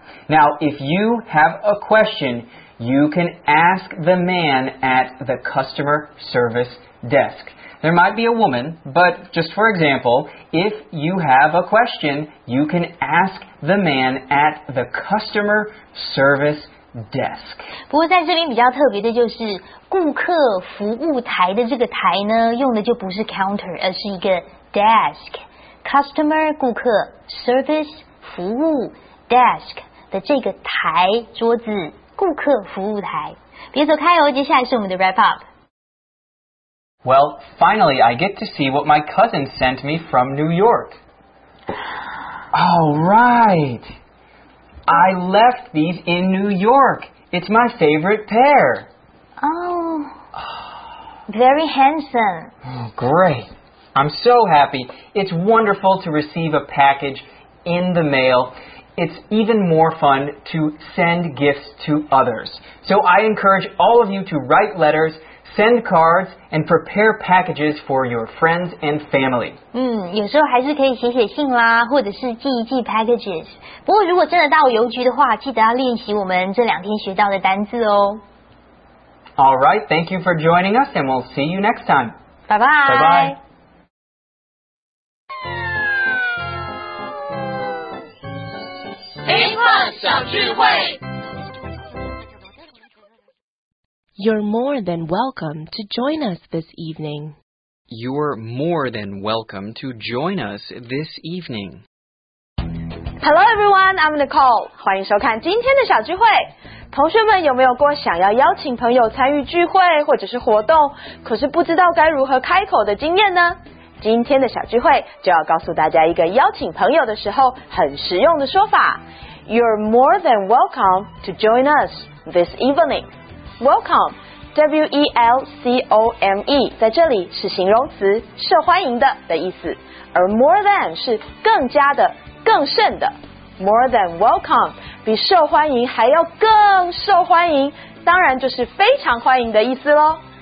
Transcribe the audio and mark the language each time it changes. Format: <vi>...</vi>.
<en>Now, if you have a question, you can ask the man at the customer service desk. There might be a woman, but just for example, if you have a question, you can ask the man at the customer service desk.</en> <zh>不过在这边比较特别的就是顾客服务台的这个台呢，用的就不是 counter， 而是一个 desk. Customer 顾客 service 服务 desk 的这个台桌子，顾客服务台。别走开哦，接下来是我们的 wrap up。</zh> <en>Well, finally, I get to see what my cousin sent me from New York. All right. I left these in New York. It's my favorite pair. Oh, very handsome. Oh, great. I'm so happy. It's wonderful to receive a package in the mail. It's even more fun to send gifts to others. So I encourage all of you to write letters,Send cards and prepare packages for your friends and family.</en> <zh>嗯，有时候还是可以写写信啦，或者是寄一寄 packages. 不过如果真的到邮局的话，记得要练习我们这两天学到的单字哦。</zh> <en>All right, thank you for joining us, and we'll see you next time. Bye bye. Bye bye. You're more than welcome to join us this evening. You're more than welcome to join us this evening. Hello everyone, I'm Nicole.</en> <zh>欢迎收看今天的小聚会。同学们有没有过想要邀请朋友参与聚会或者是活动，可是不知道该如何开口的经验呢？今天的小聚会就要告诉大家一个邀请朋友的时候很实用的说法。</zh> <en>You're more than welcome to join us this evening.</en> <zh>Welcome, W-E-L-C-O-M-E, 在这里是形容词，受欢迎的的意思。而 more than 是更加的，更甚的。More than welcome, 比受欢迎还要更受欢迎，当然就是非常欢迎的意思咯。</zh>